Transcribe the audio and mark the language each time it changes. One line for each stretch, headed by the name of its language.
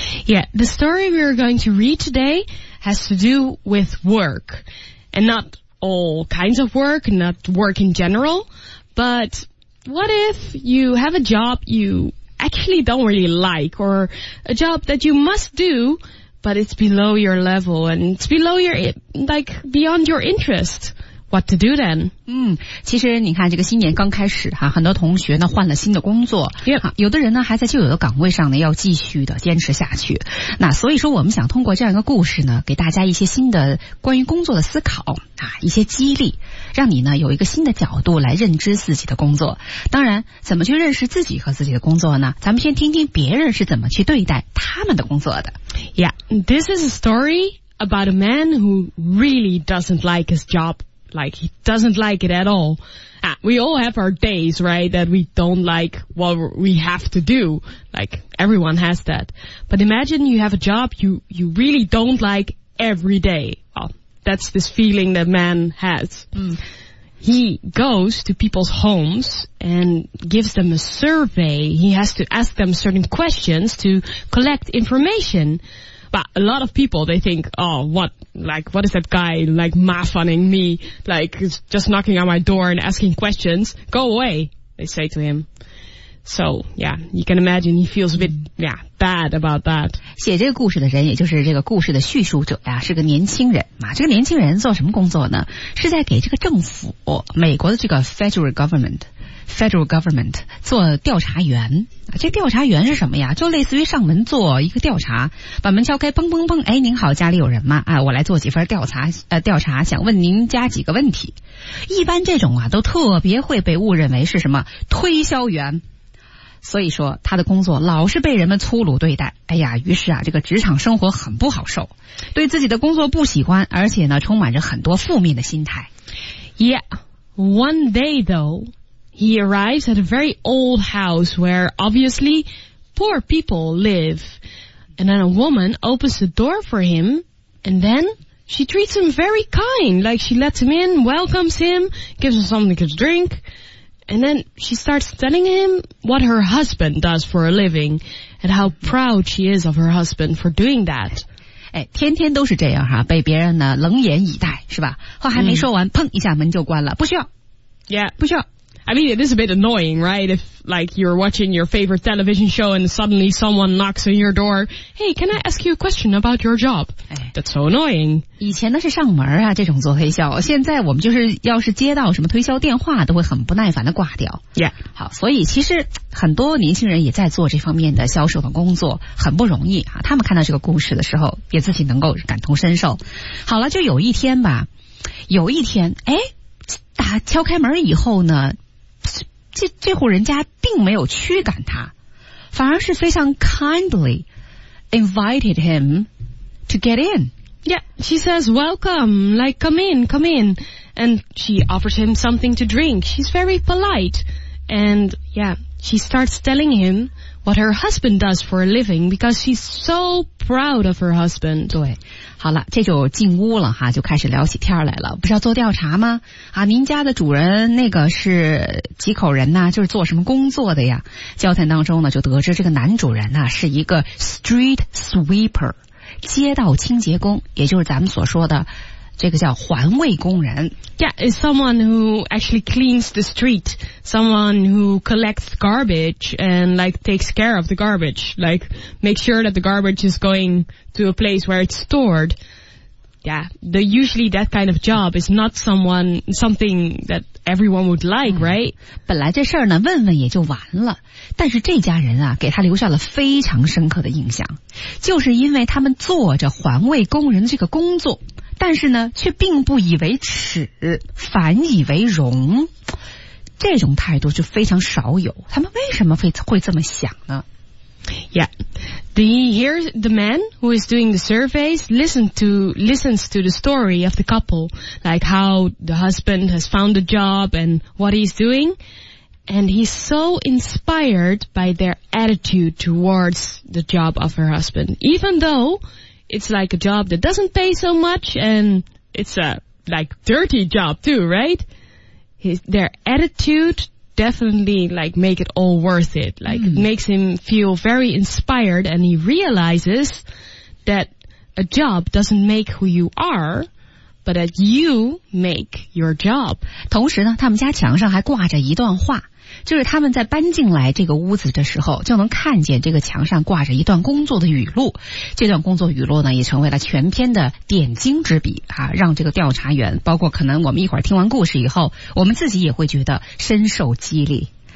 English: Yeah, the story we are going to read today has to do with work, and not all kinds of work, not work in general, but what if you have a job you actually don't really like, or a job that you must do, but it's below your level, and it's below your, like, beyond your interest. What to do then?
Chinese: 其实你看这个新年刚开始哈，很多同学呢换了新的工作、
English: yep.
Chinese: 啊、有的人呢还在旧有的岗位上呢要继续的坚持下去，那所以说我们想通过这样一个故事呢给大家一些新的关于工作的思考啊，一些激励，让你呢有一个新的角度来认知自己的工作。当然怎么去认识自己和自己的工作呢，咱们先听听别人是怎么去对待他们的工作的。
English: Yeah, this is a story about a man who really doesn't like his jobLike, he doesn't like it at all. We all have our days, right, that we don't like what we have to do. Like, everyone has that. But imagine you have a job you really don't like every day. Well, that's this feeling that man has. He goes to people's homes and gives them a survey. He has to ask them certain questions to collect information. But a lot of people, they think, oh, what is that guy, like, mafunning me? Like, just knocking on my door and asking questions. Go away, they say to him. So, yeah, you can imagine he feels a bit, yeah, bad about that.
Chinese: 写这个故事的人，也就是这个故事的叙述者呀，是个年轻人。这个年轻人做什么工作呢？是在给这个政府，美国的这个
English: federal government
Chinese: 做调查员。这调查员是什么呀？就类似于上门做一个调查，把门敲开，嘣嘣嘣，哎，您好，家里有人吗？哎，我来做几份调查，调查，想问您家几个问题。一般这种啊，都特别会被误认为是什么推销员，所以说他的工作老是被人们粗鲁对待。哎呀，于是啊，这个职场生活很不好受，对自己的工作不喜欢，而且呢，充满着很多负面的心态。
English: Yeah, one day though. He arrives at a very old house where, obviously, poor people live. And then a woman opens the door for him, and then she treats him very kind. Like, she lets him in, welcomes him, gives him something to drink. And then she starts telling him what her husband does for a living, and how proud she is of her husband for doing that.
Chinese: 哎，天天都是这样哈，被别人呢冷眼以待，是吧？话还没说完，砰一下门就关了，不需要。
English: Yeah.
Chinese: 不需要。
English: I mean, it is a bit annoying, right? If, like, you're watching your favorite television show and suddenly someone knocks on your door, hey, can I ask you a question about your job? That's so annoying.
Chinese: 以前呢是上门啊，这种做推销。现在我们就是要是接到什么推销电话，都会很不耐烦的挂掉。
English: Yeah.
Chinese: 好，所以其实很多年轻人也在做这方面的销售的工作，很不容易啊。他们看到这个故事的时候，也自己能够感同身受。好了，就有一天吧，有一天，哎，打敲开门以后呢。这户人家并没有驱赶他，反而是非常
English: kindly invited him to get in. Yeah, she says, welcome, like, come in, come in. And she offers him something to drink. She's very polite. And, yeah, she starts telling him what her husband does for a living because she's so proud of her husband.
Chinese: 对，好了，这就进屋了哈，就开始聊起天来了。不是要做调查吗？啊，您家的主人那个是几口人呢？就是做什么工作的呀？交谈当中呢，就得知这个男主人呢是一个
English: street sweeper，
Chinese: 街道清洁工，也就是咱们所说的这个叫环卫工人。
English: Yeah, it's someone who actually cleans the street, someone who collects garbage and like takes care of the garbage, like make sure that the garbage is going. To a place where it's stored. Yeah, the usually that kind of job is not something that everyone would like, right?
Chinese: 本来这事儿呢，问问也就完了。但是这家人啊，给他留下了非常深刻的印象，就是因为他们做着环卫工人这个工作，但是呢，却并不以为耻，反以为荣。这种态度就非常少有。他们为什么会这么想呢？
English: Yeah, the man who is doing the surveys listens to the story of the couple, like how the husband has found a job and what he's doing, and he's so inspired by their attitude towards the job of her husband, even though it's like a job that doesn't pay so much and it's a like dirty job too, right? Their attitude definitely like make it all worth it. Like makes him feel very inspired, and he realizes that a job doesn't make who you are, but that you make your job.
Chinese: 同时呢，他们家墙上还挂着一段话，就是他们在搬进来这个屋子的时候，就能看见这个墙上挂着一段工作的语录。这段工作语录呢，也成为了全篇的点睛之笔啊，让这个调查员，包括可能我们一会儿听完故事以后，我们自己也会觉得深受激励。